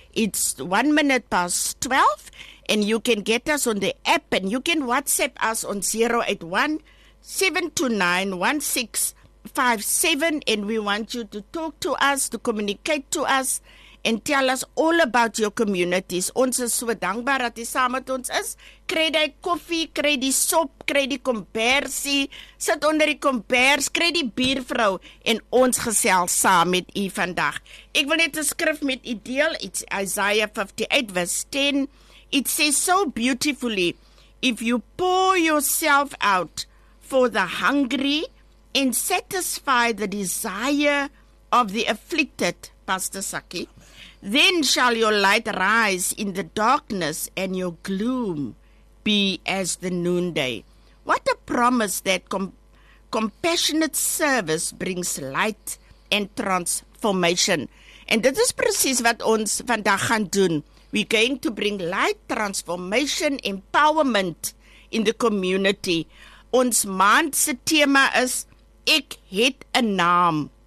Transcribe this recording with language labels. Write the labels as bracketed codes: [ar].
[en] It's 1 minute past 12, and you can get us on the app, and you can WhatsApp us on 081-729-1657, and we want you to talk to us, to communicate to us, and tell us all about your communities. [af] Ons is so dankbaar dat jy saam met ons is. Kry die koffie, kry die sop, kry die kombersie. Sit onder die kombers, kry die biervrou. En ons gesels saam met jy vandag. Ek wil net 'n skrif met jy deel. [en] It's Isaiah 58 verse 10. It says so beautifully, if you pour yourself out for the hungry and satisfy the desire of the afflicted, Pastor Saki, then shall your light rise in the darkness and your gloom be as the noonday. What a promise that compassionate service brings light and transformation. And this is [af] precies wat ons vandag gaan doen. [en] We're going to bring light, transformation, empowerment in the community. [af] Ons maandse tema is, ek het 'n naam.